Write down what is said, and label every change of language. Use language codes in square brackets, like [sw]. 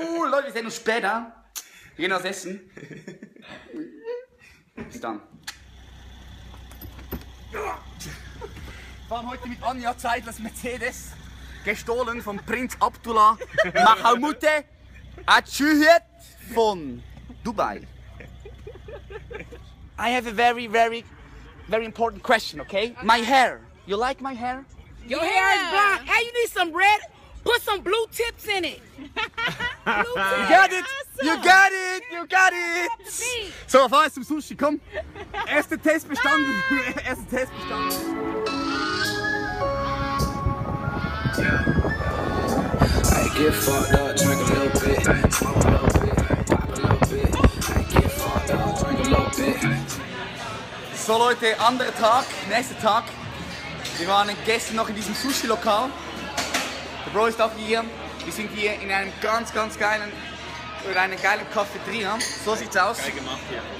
[de] Leute, wir sehen uns später. Wir gehen was essen. Bis dann. Wir fahren heute mit Anja Zeidlers Mercedes, gestohlen vom Prinz Abdullah Mahamute Achuhet. Von Dubai. [en] I have a very, very, very important question, okay? My hair. You like my hair? Your hair is black. Hey, you need some red? Put some blue tips in it. Blue tips. You got it. Awesome. You got it. You got it. [de] So, fahr jetzt zum Sushi, komm. Erster Test bestanden. Erster Test bestanden. [en] I get fucked up, drink a little bit. [de] So Leute, anderer Tag, nächster Tag. Wir waren gestern noch in diesem Sushi-Lokal. Der Bro ist auch hier. Wir sind hier in einem ganz, ganz geilen, in einer geilen Cafeteria. So sieht's aus. Geil gemacht hier.